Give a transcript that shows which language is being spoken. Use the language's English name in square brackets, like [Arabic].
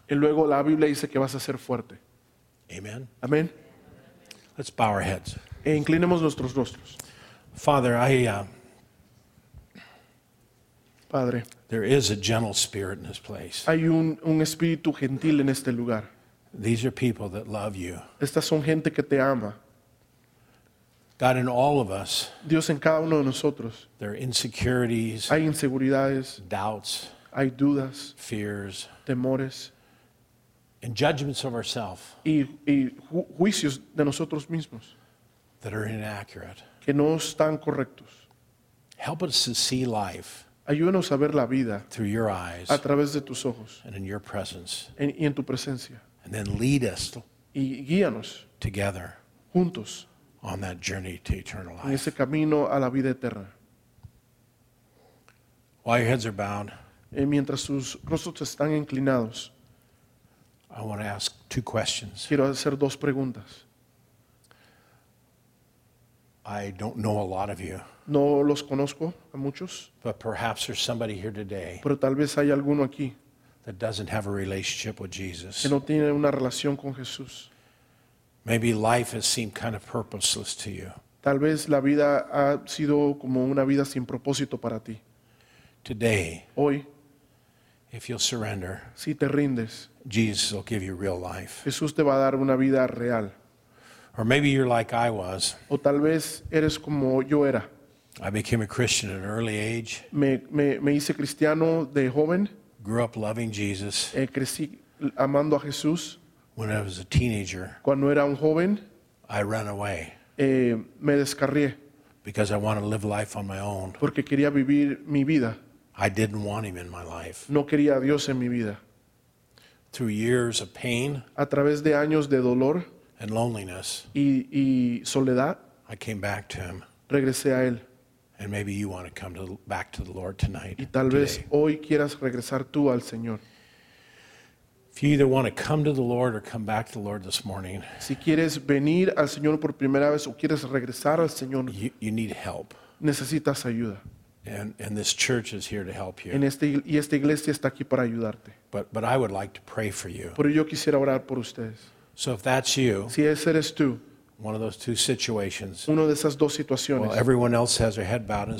[Spanish] Y luego la Biblia dice que vas a ser fuerte. Amen. Amen. [English] Let's bow our heads. [Spanish] E inclinemos nuestros rostros. [English] Father, I [Spanish] Padre. [English] There is a gentle spirit in this place. [Spanish] Hay un espíritu gentil en este lugar. [English] These are people that love you. [Spanish] Estas son gente que te ama. [English] God, in all of us. [Spanish] Dios, en cada uno de nosotros. [English] There are insecurities. [Spanish] Hay inseguridades. [English] Doubts. [Spanish] Hay dudas. [English] Fears. [Spanish] Temores. [English] And judgments of ourselves. [Spanish] Y juicios de nosotros mismos. [English] That are inaccurate. [Spanish] Que no están correctos. [English] Help us to see life. [Spanish] Ayúdanos a ver la vida [English] through your eyes, [Spanish] a través de tus ojos [English] and in your presence, [Spanish] y en tu presencia. [English] And then lead us, [Spanish] y guíanos [English] together, [Spanish] juntos [English] on that journey to eternal life. [Spanish] En ese camino a la vida eterna. [English] While your heads are bowed, [Spanish] y mientras sus rostros están inclinados, [English] I want to ask two questions. [Spanish] Quiero hacer dos preguntas. [English] I don't know a lot of you. [Spanish] No los conozco a muchos. [English] But perhaps there's somebody here today. [Spanish] Pero tal vez hay alguno aquí. [English] That doesn't have a relationship with Jesus. [Spanish] Que no tiene una relación con Jesús. [English] Maybe life has seemed kind of purposeless to you. [Spanish] Tal vez la vida ha sido como una vida sin propósito para ti. [English] Today. [Spanish] Hoy. [English] If you'll surrender. [Spanish] Si te rindes. [English] Jesus will give you real life. [Spanish] Jesús te va a dar una vida real. [English] Or maybe you're like I was. [Spanish] O tal vez eres como yo era. [English] I became a Christian at an early age. [Spanish] Me hice cristiano de joven. [English] Grew up loving Jesus. [Spanish] Crecí amando a Jesús. [English] When I was a teenager. [Spanish] Cuando era un joven. [English] I ran away. [Spanish] Me descarrié. [English] Because I wanted to live life on my own. [Spanish] Porque quería vivir mi vida. [English] I didn't want Him in my life. [Spanish] No quería a Dios en mi vida. [English] through years of pain, [Spanish] a través de años de dolor, [English] and loneliness, [Spanish] y soledad, [English] I came back to him. [Spanish] Regresé a él. [English] And maybe you want to come to, back to the Lord tonight. [Spanish] Y tal vez hoy quieras regresar tú al Señor. [English] If you either want to come to the Lord or come back to the Lord this morning, [Spanish] si quieres venir al Señor por primera vez o quieres regresar al Señor, [English] you need help. [Spanish] Necesitas ayuda. [English] And this church is here to help you. [Spanish] Y esta iglesia está aquí para ayudarte. [English] But I would like to pray for you. [Spanish] Pero yo quisiera orar por ustedes. [English] So if that's you, [Spanish] si ese eres tú, [English] one of those two situations, [Spanish] uno de esas dos situaciones, [English] while everyone else has their head bowed and